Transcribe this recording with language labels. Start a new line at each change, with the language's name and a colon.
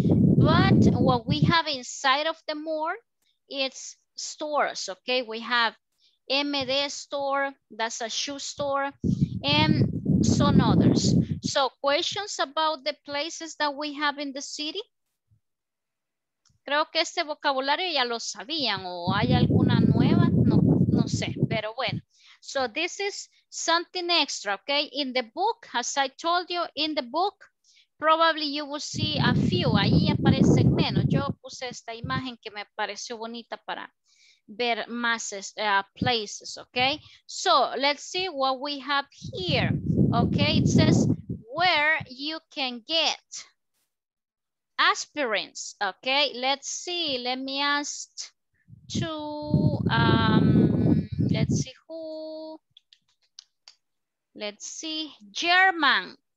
English: But what we have inside of the mall, it's stores, okay? We have MD store, that's a shoe store, and some others. So questions about the places that we have in the city?
Spanish: Creo que este vocabulario ya lo sabían, o hay alguna nueva, no, no sé, pero bueno.
English: So this is something extra, okay? In the book, as I told you, in the book, probably you will see a few,
Spanish: ahí aparecen menos. Yo puse esta imagen que me pareció bonita para ver más places, okay?
English: So let's see what we have here, okay? It says where you can get aspirins, okay? Let's see, let me ask to, let's see who, let's see, German.